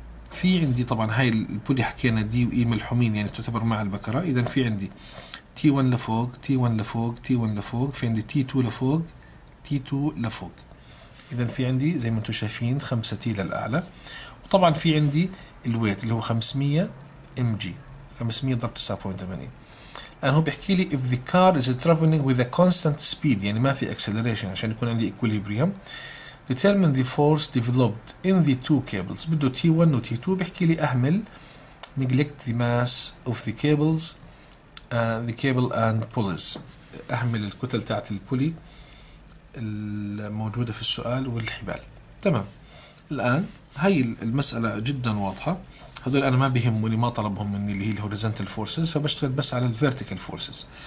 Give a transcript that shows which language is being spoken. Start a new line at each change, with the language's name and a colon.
Arabic: في عندي طبعا هاي البولي حكينا دي واي ملحومين يعني تعتبر مع البكره، اذا في عندي تي 1 لفوق تي 1 لفوق تي 1 لفوق، في عندي تي 2 لفوق تي 2 لفوق، اذا في عندي زي ما انتم شايفين 5 تي للاعلى. وطبعا في عندي الويت اللي هو 500 ام جي 500 ضرب 9.80. الان هو بيحكي لي
English: if the car is traveling with a constant speed
Arabic: يعني ما في
English: acceleration
Arabic: عشان يكون عندي
English: equilibrium determine the force developed in the two cables.
Arabic: بده T1 و T2 بيحكي لي أهمل
English: neglect the mass of the cables the cable and pulleys،
Arabic: أهمل الكتل تاعت البولي الموجودة في السؤال والحبال. تمام، الآن هاي المسألة جدا واضحة، هذول أنا ما بهموني ما طلبهم مني اللي هي
English: horizontal forces،
Arabic: فبشتغل بس على
English: vertical forces.